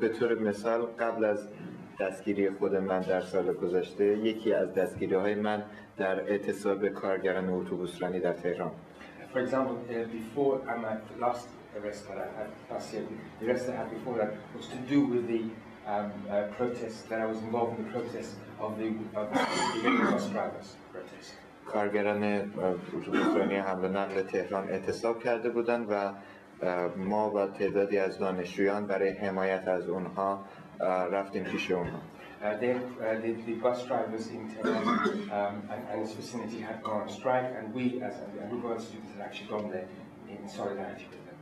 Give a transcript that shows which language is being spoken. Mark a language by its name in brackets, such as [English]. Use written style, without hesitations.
[Persian] به طور مثال قبل از دستگیری خود من در سال گذشته یکی از دستگیری‌های من در اعتصاب کارگران اتوبوسرانی در تهران. [English] For example, before my last arrest that I had last year, the arrest I had before that was to do with the protests that I was involved in the protests of the bus drivers protest. [Persian] کارگران اتوبوسرانی حمل و نقل تهران اعتصاب کرده بودند و ما و تعدادی از دانشجویان برای حمایت از اونها رفتیم پیش اونها. [English] The bus drivers in Tehran and its vicinity had gone on strike, and we, as a group of students, had actually gone there in solidarity with them.